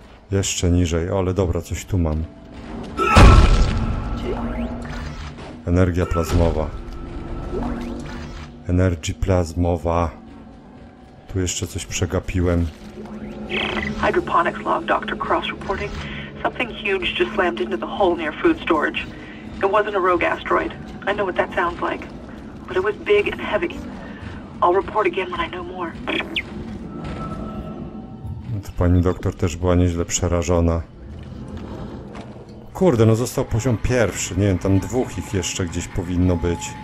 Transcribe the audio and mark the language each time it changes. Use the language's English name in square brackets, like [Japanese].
[Polish] Jeszcze niżej, ale dobra, coś tu mam. Energia plazmowa. Energy plazmowa. Tu jeszcze coś przegapiłem. [English] Hydroponics log, Dr. Cross reporting. Something huge just slammed into the hole near food storage. It wasn't a rogue asteroid. I know what that sounds like. But it was big and heavy. I'll report again when I know more. [Polish] No to pani doktor też była nieźle przerażona. Kurde, no został poziom pierwszy. Nie wiem, tam dwóch ich jeszcze gdzieś powinno być.